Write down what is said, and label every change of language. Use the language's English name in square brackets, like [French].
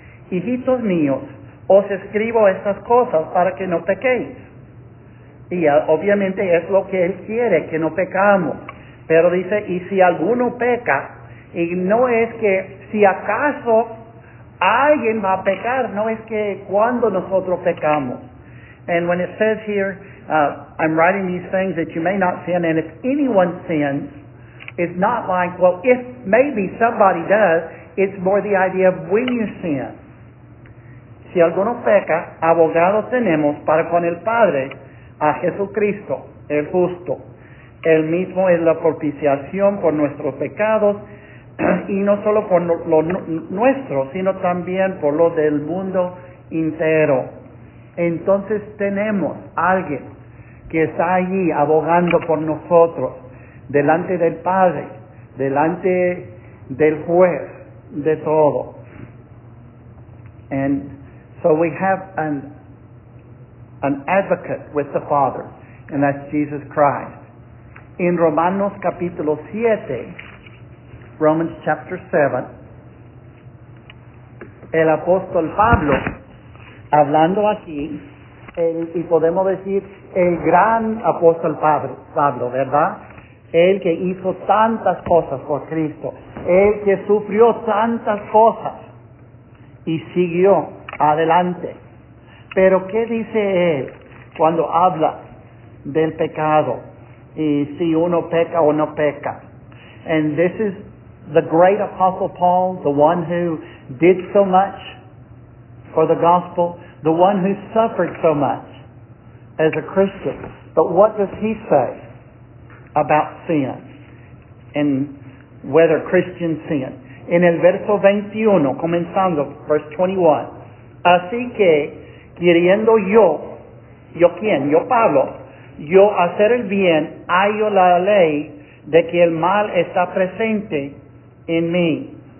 [Spanish] Hijitos míos, os escribo estas cosas para que no pequéis. Y obviamente es lo que Él quiere, que no pecamos. Pero dice, y si alguno peca, y no es que si acaso alguien va a pecar, no es que cuando nosotros pecamos. [English] And when it says here, I'm writing these things that you may not sin, and if anyone sins, it's not like, well, if maybe somebody does, it's more the idea of when you sin. [Spanish] Si alguno peca, abogado tenemos para con el Padre, a Jesucristo, el justo. Él mismo es la propiciación por nuestros pecados, y no solo por lo nuestro, sino también por lo del mundo entero. Entonces tenemos alguien que está allí abogando por nosotros, delante del Padre, delante del juez, de todo. [English] And so we have an advocate with the Father, and that's Jesus Christ. [Spanish] In Romanos capítulo 7, [English] Romans chapter 7, [Spanish] el apóstol Pablo, hablando aquí, y podemos decir, el gran apóstol Pablo, ¿verdad? El que hizo tantas cosas por Cristo, el que sufrió tantas cosas y siguió adelante. Pero ¿qué dice él cuando habla del pecado y si uno peca o no peca? [English] And this is the great apostle Paul, the one who did so much for the gospel, the one who suffered so much as a Christian. But what does he say about sin and whether Christians sin? [Spanish] En el verso 21, comenzando verse 21, así que queriendo yo quién, yo Pablo, yo hacer el bien, hallo la ley de que el mal está presente en mí.